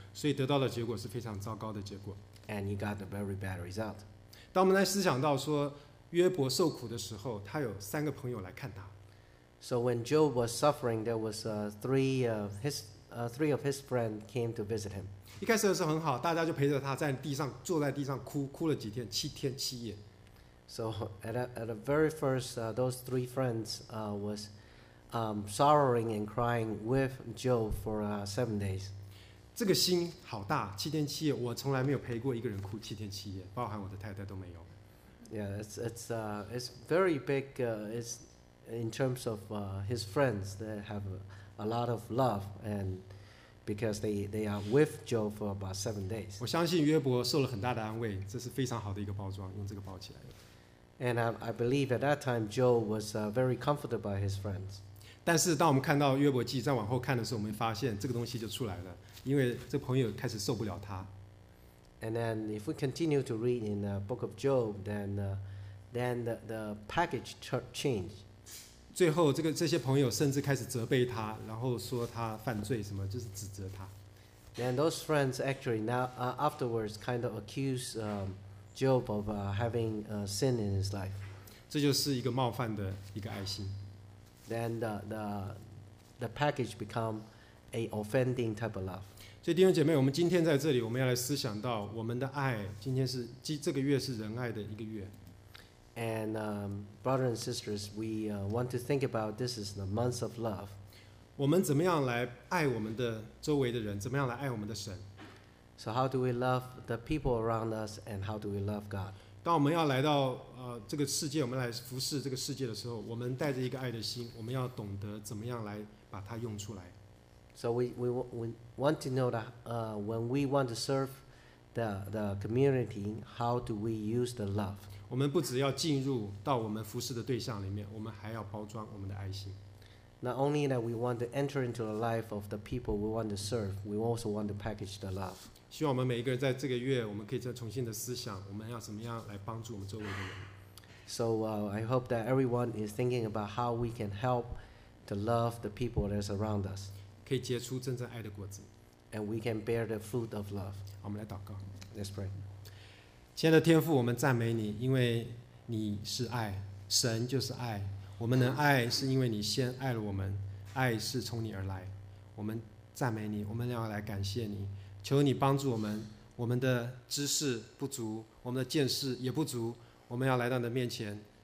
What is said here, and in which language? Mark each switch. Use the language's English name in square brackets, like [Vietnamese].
[Chinese] 所以得到的结果是非常糟糕的结果。 [English] And you got a very bad result. [Chinese] 当我们来思想到说约伯受苦的时候，他有三个朋友来看他。 [English] So when Job was suffering, there was three of his friends came to visit him. [Chinese] 一开始的时候很好，大家就陪着他在地上坐在地上哭，哭了几天，七天七夜。 [English] So at the very first, those three friends was sorrowing and crying with Job for 7 days. [Chinese] 这个心好大，七天七夜，我从来没有陪过一个人哭七天七夜，包含我的太太都没有。 [English] Yeah, it's very big. It's in terms of his friends that have a lot of love, and because they are with Job for about 7 days. [Chinese] 我相信约伯受了很大的安慰，这是非常好的一个包装，用这个包起来的。 [English] And I believe at that time Job was very comforted by his friends. [Chinese] 但是当我们看到约伯记再往后看的时候，我们发现这个东西就出来了，因为这朋友开始受不了他。 [English] And then if we continue to read in the book of Job, then the package changed. [Chinese] 最后这些朋友甚至开始责备他，然后说他犯罪什么，就是指责他。 [English] And those friends actually now afterwards kind of accuse Job of having sin in his life. [Chinese] 这就是一个冒犯的一个爱心。 [English] Then the package become a offending type of love. [Chinese] 所以弟兄姐妹，我们今天在这里，我们要来思想到我们的爱。今天是这个月是仁爱的一个月。 [English] And brothers and sisters, we want to think about this is the month of love. [Chinese] 我们怎么样来爱我们的周围的人？怎么样来爱我们的神 [English] ？So how do we love the people around us, and how do we love God? [Chinese] 当我们要来到这个世界，我们来服侍这个世界的时候，我们带着一个爱的心，我们要懂得怎么样来把它用出来。 [English] So we want to know that when we want to serve the community, how do we use the love? [Chinese] 我们不只要进入到我们服事的对象里面，我们还要包装我们的爱心。 [English] Not only that we want to enter into the life of the people we want to serve, we also want to package the love. [Chinese] 希望我们每一个人在这个月，我们可以再重新的思想，我们要怎么样来帮助我们周围的人。 [English] So I hope that everyone is thinking about how we can help to love the people that's around us. [Chinese] 可以结出真正爱的果子。 [English] And we can bear the fruit of love. [Chinese] 我们来祷告。 [English] Let's pray. [Chinese] 亲爱的天父，我们赞美你，因为你是爱，神就是爱。我们能爱是因为你先爱了我们，爱是从你而来。我们赞美你，我们要来感谢你，求你帮助我们，我们的知识不足，我们的见识也不足，我们要来到你的面前。